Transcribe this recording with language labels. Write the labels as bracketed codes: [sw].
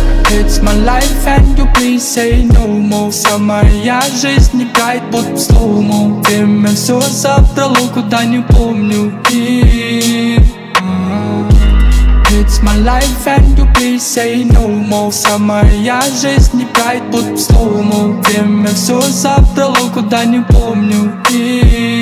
[en] It's my life and you please say no more. [ru] Вся моя жизнь играет под слоумо. Время все завтра локо, да не помню и... [en] It's my life and you please say no more. [ru] Вся моя жизнь играет под слоумо. Время все завтра локо, да не помню и...